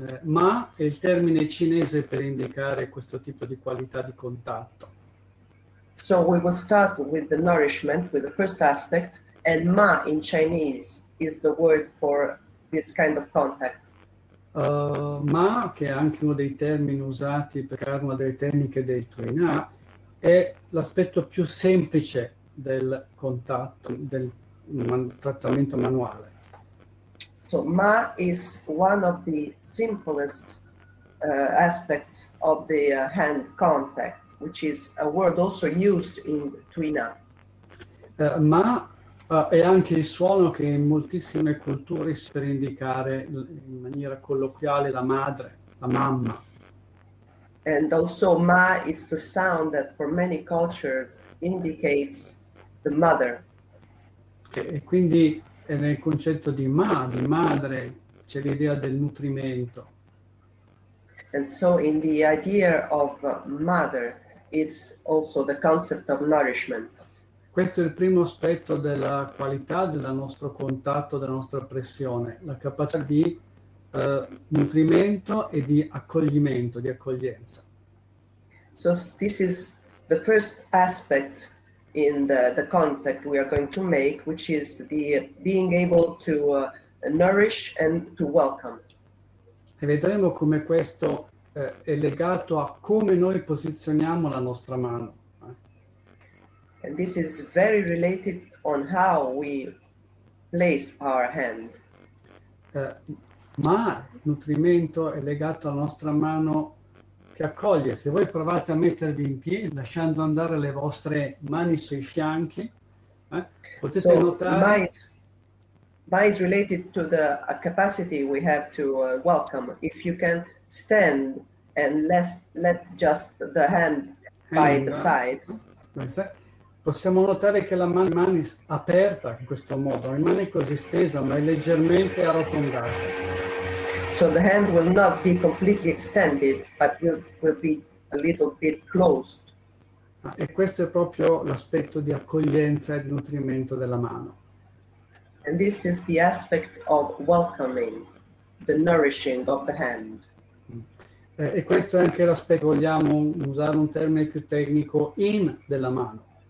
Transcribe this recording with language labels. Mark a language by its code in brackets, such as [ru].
[it] Ma è il termine cinese per indicare questo tipo di qualità di contatto. [en] So we will start with the nourishment, with the first aspect, and ma in Chinese is the word for this kind of contact. [it] Ma, che è anche uno dei termini usati per una delle tecniche del Tuina, è l'aspetto più semplice del contatto, del trattamento manuale. [en] So ma is one of the simplest aspects of the hand contact, which is a word also used in Tuina. [it] Ma è anche il suono che in moltissime culture si usa per indicare in maniera colloquiale la madre, la mamma. [en] And also ma is the sound that for many cultures indicates the mother. [it] E quindi nel concetto di madre, c'è l'idea del nutrimento. [en] And so in the idea of mother is also the concept of nourishment. [it] Questo è il primo aspetto della qualità del nostro contatto, della nostra pressione, la capacità di nutrimento e di accoglimento, di accoglienza. [en] So this is the first aspect in the contact we are going to make, which is the being able to nourish and to welcome. [it] E vedremo come questo è legato a come noi posizioniamo la nostra mano. [en] And this is very related on how we place our hand. [it] Ma nutrimento è legato alla nostra mano che accoglie. Se voi provate a mettervi in piedi, lasciando andare le vostre mani sui fianchi, potete [en] So [it] notare. [en] ma is related to the capacity we have to welcome. If you can stand and let just the hand by the Hang, sides. [it] possiamo notare che la mano rimane aperta in questo modo, rimane così stesa, ma è leggermente arrotondata. [en] So the hand will not be completely extended, but will be a little bit closed. [it] E questo è proprio l'aspetto di accoglienza e di nutrimento della mano. [en] And this is the aspect of welcoming, the nourishing of the hand. [it] E questo è anche l'aspetto, vogliamo usare un termine più tecnico, in della mano.